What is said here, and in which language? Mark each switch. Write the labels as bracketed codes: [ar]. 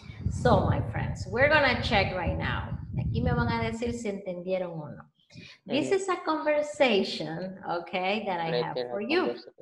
[en] So, my friends, we're going to check right now. [es] Aquí me van a decir si entendieron o no. [en] This is a conversation, okay, that I have for you.